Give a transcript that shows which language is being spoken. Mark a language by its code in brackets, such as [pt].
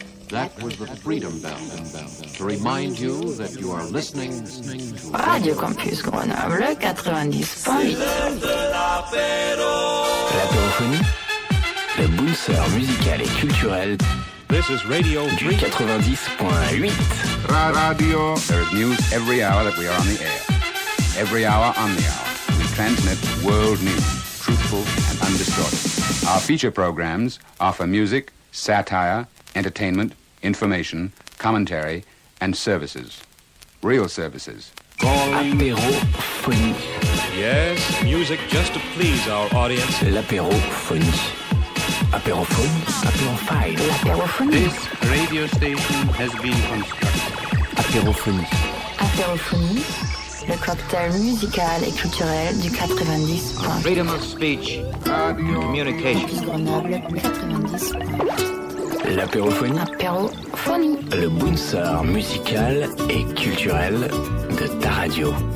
[en] That was the freedom bell to remind you that you are listening to Radio Campus Grenoble 90.8. [fr] L'apérophonie, le booster musical et culturel. [en] This is Radio 90.8. Radio. There is news every hour that we are on the air. Every hour on the hour. We transmit world news, truthful and undistorted. Our feature programs offer music, satire, entertainment, information, commentary, and services. Real services. [fr] L'apérophonie. [en] Yes, music just to please our audience. [fr] L'apérophonie. Apérophone. Apérophile. L'apérophonie. [en] This radio station has been constructed. [fr] Apérophonie. Apérophonie. Le cocktail musical et culturel du 90. [en] Freedom of speech. Communication. [fr] Grenoble 90. L'apérophonie. Apérophonie. Le booster musical et culturel de ta radio.